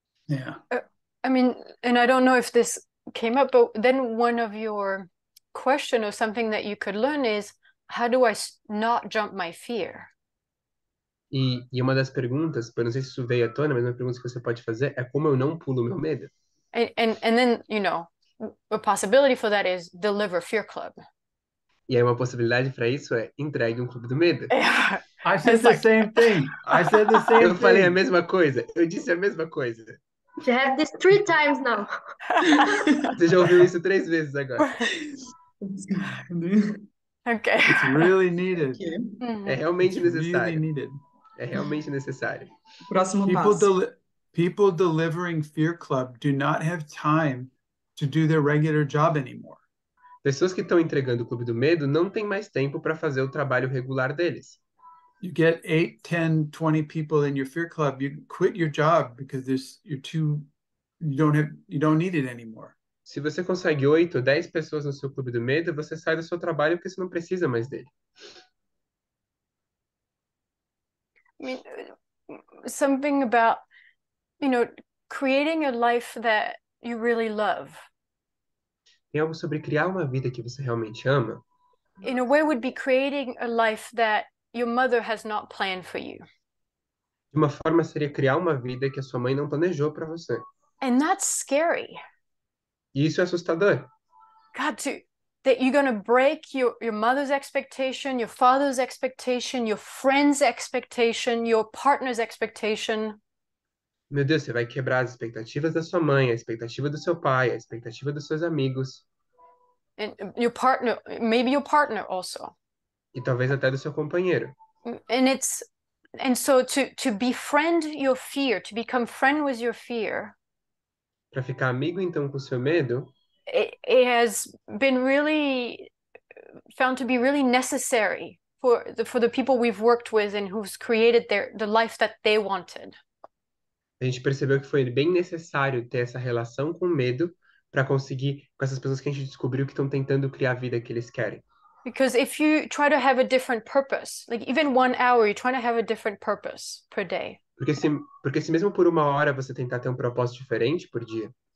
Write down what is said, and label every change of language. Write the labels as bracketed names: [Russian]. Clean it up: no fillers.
[English] I mean, and I don't know if this came up, but then one of your question or something that you could learn is, how do I not jump my fear? [Portuguese] E uma das perguntas, eu não sei se isso veio à tona, mas uma pergunta que você pode fazer é como eu não pulo meu medo? [English] And then, you know, a possibility for that is deliver fear club. [Portuguese] E aí uma possibilidade para isso é entregue um clube do medo. [English] I said the same thing. I said the same [Portuguese] thing. Eu falei a mesma coisa. Eu disse a mesma coisa. [English] You have this three times now. [Portuguese] Você já ouviu isso três vezes agora. [English] Okay. It's really needed. [Portuguese] É realmente necessário. É realmente necessário. Próximo passo. [English] People delivering fear club do not have time to do their regular job anymore. [Portuguese] Pessoas que estão entregando o clube do medo não têm mais tempo para fazer o trabalho regular deles. [English] You get 8, 10, 20 people in your fear club, you quit your job because you're too you don't need it anymore. [Portuguese] Se você consegue 8 ou 10 pessoas no seu clube do medo, você sai do seu trabalho porque você não precisa mais dele. [English] I mean, something about, you know, creating a life that you really love. [Portuguese] Tem algo sobre criar uma vida que você realmente ama? [English] In a way, would be creating a life that your mother has not planned for you. [Portuguese] De uma forma, seria criar uma vida que a sua mãe não planejou para você. [English] And that's scary. [Portuguese] E isso é assustador. [English] God, that you're going to break your mother's expectation, your father's expectation, your friend's expectation, your partner's expectation. [Portuguese] Meu Deus, você vai quebrar as expectativas da sua mãe, a expectativa do seu pai, a expectativa dos seus amigos. [English] And your partner, maybe your partner also. [Portuguese] E talvez até do seu companheiro. [English] And so to befriend your fear, to become friend with your fear. [Portuguese] Para ficar amigo então com o seu medo. [English] It has been really found to be really necessary for the people we've worked with and who've created the life that they wanted. [Portuguese] A gente percebeu que foi bem necessário ter essa relação com o medo para conseguir com essas pessoas que a gente descobriu que estão tentando criar a vida que eles querem. [English] Because if you try to have a different purpose, like even 1 hour, you're trying to have a different purpose per day. [Portuguese] Porque se mesmo por 1 hora você tentar ter um propósito diferente por dia.